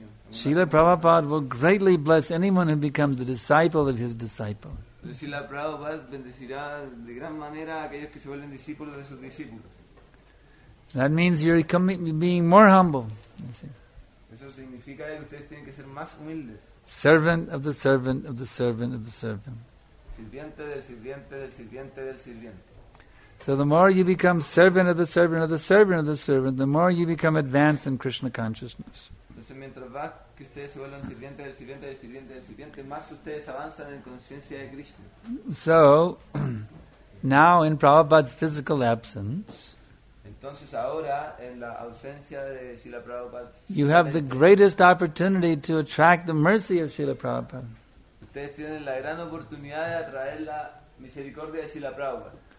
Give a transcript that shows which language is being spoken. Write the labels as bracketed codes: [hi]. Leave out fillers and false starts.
[en] Srila Prabhupada will greatly bless anyone who becomes the disciple of his disciple. [es] Srila Prabhupada bendecirá de gran manera a aquellos que se vuelven discípulos de sus discípulos. [en] That means you're being more humble. [es] Eso significa que ustedes tienen que ser más humildes. [en] Servant of the servant of the servant of the servant. [es] Sirviente del sirviente del sirviente del sirviente. [en] So the more you become servant of the servant of the servant of the servant, the more you become advanced in Krishna consciousness. [es] Entonces mientras va que ustedes se vuelvan sirviente del sirviente del sirviente del sirviente, más ustedes avanzan en conciencia de Krishna. [en] So now in Prabhupada's physical absence, [es] entonces ahora, en la ausencia de Srila Prabhupada, [en] you have the greatest opportunity to attract the mercy of Srila Prabhupada. [es] Ustedes tienen la gran oportunidad de atraer la misericordia de Srila Prabhupada.